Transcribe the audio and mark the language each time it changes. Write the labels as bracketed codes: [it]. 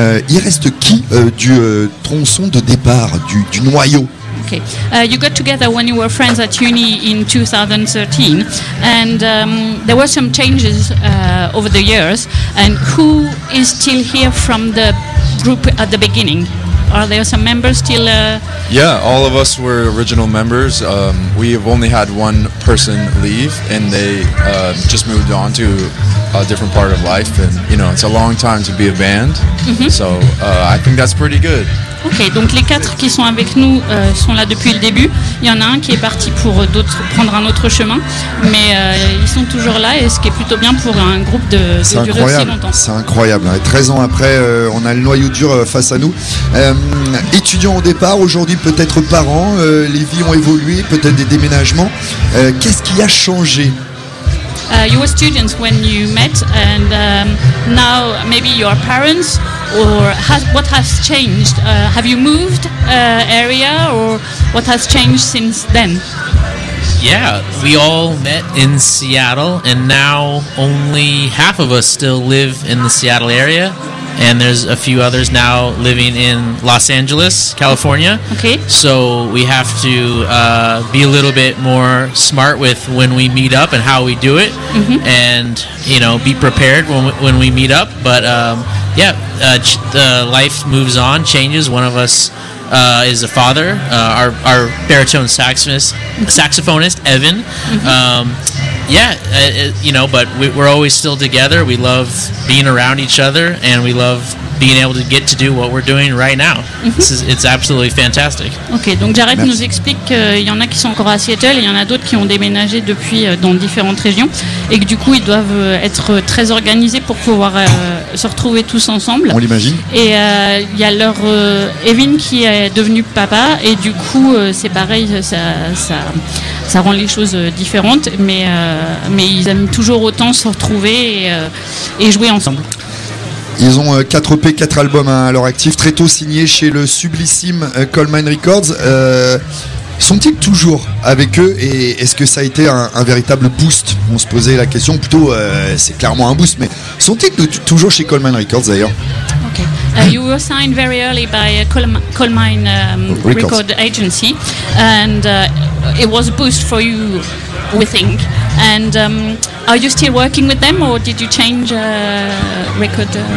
[fr] Il reste qui du tronçon de départ, du noyau? [en] Okay. You got together when you were friends at uni in 2013, and there were some changes over the years. And who is still here from the group at the beginning? Are there some members still? Yeah, all of us were original members. We have only had one person leave, and they just moved on to a different part of life. And you know, it's a long time to be a band, so I think that's pretty good. [fr] Ok, donc les 4 qui sont avec nous sont là depuis le début. Il y en a un qui est parti pour d'autres, prendre un autre chemin, mais ils sont toujours là, et ce qui est plutôt bien pour un groupe de durer aussi longtemps. C'est incroyable, hein. 13 ans après, on a le noyau dur face à nous. Étudiants au départ, aujourd'hui peut-être parents, les vies ont évolué, peut-être des déménagements. Qu'est-ce qui a changé? [en] You were students when you met, and now maybe you are parents. Or what has changed? Have you moved area, or what has changed since then? Yeah, we all met in Seattle, and now only half of us still live in the Seattle area, and there's a few others now living in Los Angeles, California. Okay. So we have to be a little bit more smart with when we meet up and how we do it, and you know, be prepared when we meet up. But life moves on, changes. One of us is a father. Our baritone saxophonist Evan. But we're always still together. We love being around each other, and we love being able to get to do what we're doing right now. It's absolutely fantastic. [fr] Okay, donc Jared nous explique qu'il y en a qui sont encore à Seattle, et il y en a d'autres qui ont déménagé depuis dans différentes régions, et que du coup ils doivent être très organisés pour pouvoir se retrouver tous ensemble. On l'imagine. Et il y a leur Evan qui est devenu papa, et du coup c'est pareil, ça rend les choses différentes, mais ils aiment toujours autant se retrouver et jouer ensemble. Ils ont 4 EP, 4 albums à leur actif, très tôt signés chez le sublissime Coalmine Records. Sont-ils toujours avec eux, et est-ce que ça a été un véritable boost? On se posait la question, plutôt c'est clairement un boost, mais sont-ils toujours chez Coalmine Records d'ailleurs? [en] You were signed very early by Coalmine Record Agency, and it was a boost for you, we think. And are you still working with them, or did you change record?